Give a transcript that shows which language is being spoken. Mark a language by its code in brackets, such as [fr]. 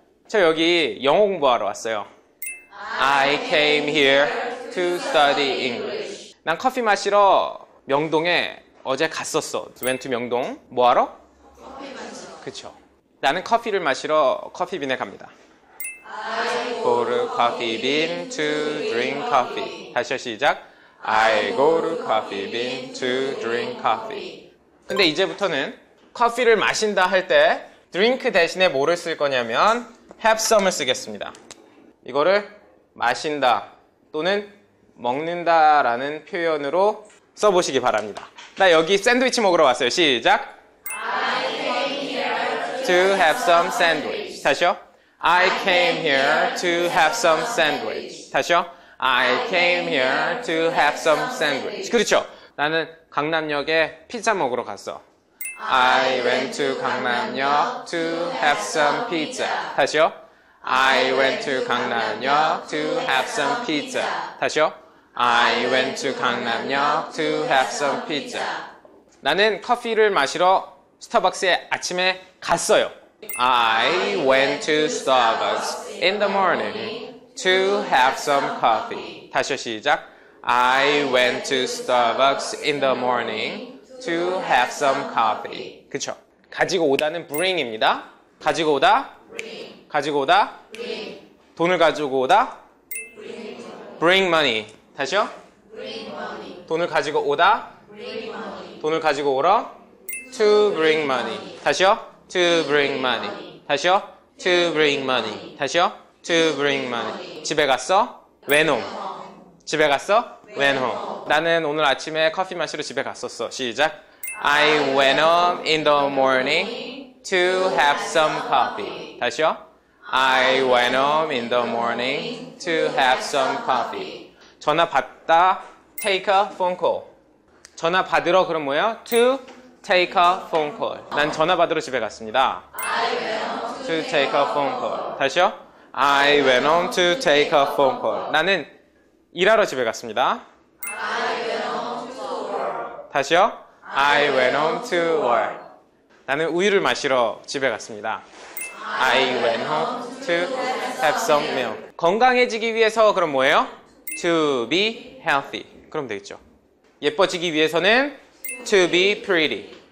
[ko] 저 여기 영어 공부하러 왔어요. [en] I came here to study English. [ko] 난 커피 마시러 명동에 어제 갔었어. [en] Went to [ko] 명동. 뭐 하러? 커피 마시러. 그쵸. 나는 커피를 마시러 커피빈에 갑니다. [en] I go to coffee bean to drink coffee. [ko] 다시 시작. [en] I go to coffee bean to drink coffee. [ko] 근데 이제부터는 커피를 마신다 할 때 drink 대신에 뭐를 쓸 거냐면 [en] have some [ko] 을 쓰겠습니다. 이거를 마신다 또는 먹는다 라는 표현으로 써보시기 바랍니다. 나 여기 샌드위치 먹으러 왔어요. 시작. [en] I came here to have some sandwich. [ko] 다시요. [en] I came here to have some sandwich. [ko] 다시요. [en] I came here to have some sandwich. [ko] 그렇죠. 나는 강남역에 피자 먹으러 갔어. [en] I went to 강남역 to have some pizza. [ko] 다시요. [en] I went to 강남역 to have some pizza. [ko] 다시요. [en] I went to 강남역 to have some pizza. [ko] 나는 커피를 마시러 스타벅스에 아침에 갔어요. [en] I went to Starbucks in the morning to have some coffee. [ko] 다시 시작. [en] I went to Starbucks in the morning to have some coffee. [ko] 그쵸. 가지고 오다는 bring입니다. 가지고 오다? [en] Bring. [ko] 가지고 오다? [en] Bring. [ko] 돈을 가지고 오다? [en] Bring money. [ko] 다시요. [en] Bring money. [ko] 돈을 가지고 오다? [en] Bring money. [ko] 돈을 가지고 오러? [en] To bring money. [ko] 다시요. [en] To bring money. [ko] 다시요. [en] To bring money. [ko] 다시요. [en] To bring money. [ko] 집에 갔어? [en] When home. [ko] 집에 갔어? [en] When home. [ko] 나는 오늘 아침에 커피 마시러 집에 갔었어. 시작. [en] I went home in the morning to have some coffee. [ko] 다시요. [en] I went home in the morning to have some coffee. [ko] 전화 받다. [en] Take a phone call. [ko] 전화 받으러 그럼 뭐예요? [en] To take a phone call. [ko] 난 전화 받으러 집에 갔습니다. [en] I went home to take a phone call. [ko] 다시요. [en] I went home to take a phone call. [ko] 나는 일하러 집에 갔습니다. [en] I went home to work. [ko] 다시요. [en] I went home to work. [ko] 나는 우유를 마시러 집에 갔습니다. [en] I went home to have some milk. [ko] 건강해지기 위해서 그럼 뭐예요? [en] To be healthy. [ko] 그럼 되겠죠. 예뻐지기 위해서는 [en] to be pretty.